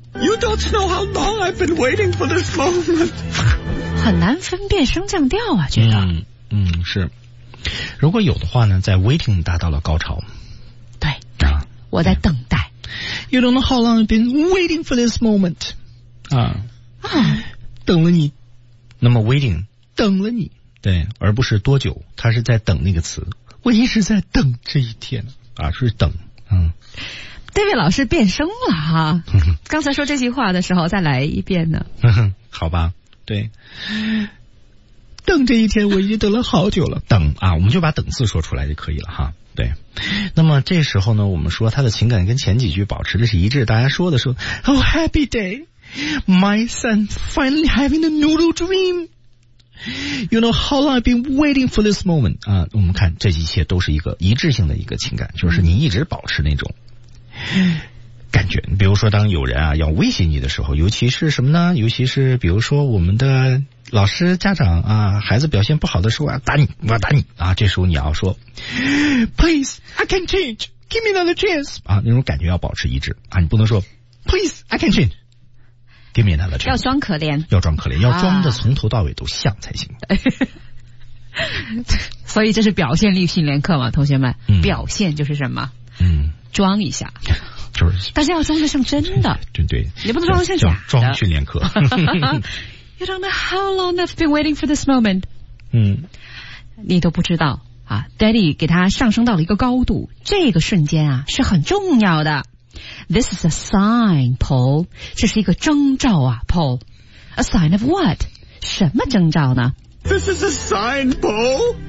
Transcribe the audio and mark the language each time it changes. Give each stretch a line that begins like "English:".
English: You don't know how long I've been waiting for this moment。
Chinese: 很难分辨升降调啊，觉得。嗯嗯，是。如果有的话呢，在 waiting 达到了高潮。对。啊，我在等待。
English: You don't know how long I've been waiting for this moment。
Chinese: 啊。啊。等了你。那么 waiting。等了你。对，而不是多久，他是在等那个词。我一直在等这一天。啊，是等。嗯。 David 老师变声了哈。刚才说这句话的时候再来一遍呢。好吧。对，等这一天我已经等了好久了。等啊，我们就把等字说出来就可以了哈。对，那么这时候呢，我们说他的情感跟前几句保持的是一致。大家说的说
English: ，Oh happy day, my son finally having the noodle dream. You know how long I've been waiting for this moment.
Chinese: 啊，我们看这一切都是一个一致性的一个情感，就是你一直保持那种。感觉，比如说当有人啊要威胁你的时候，尤其是什么呢，尤其是比如说我们的老师家长啊，孩子表现不好的时候，我要打你，我要打你啊，这时候你要说
English: Please I can change, give me another chance
Chinese: 啊，那种感觉要保持一致啊，你不能说
English: Please I can change, give me another chance,
Chinese: 要装可怜，要装可怜，要装的从头到尾都像才行、啊、所以这是表现力训练课嘛，同学们、嗯、表现就是什么，嗯，装一下，就是，但是要装得像真的，对 对, 对，你不能装得像假的。装训练课。
English: You don't know how long I've been waiting for this moment。
Chinese: 嗯，你都不知道啊 ，Daddy 给他上升到了一个高度，这个瞬间啊是很重要的。
English: This is a sign, Paul，
Chinese: 这是一个征兆啊
English: ，Paul。A sign of what？
Chinese: 什么征兆呢
English: ？This is a sign, Paul。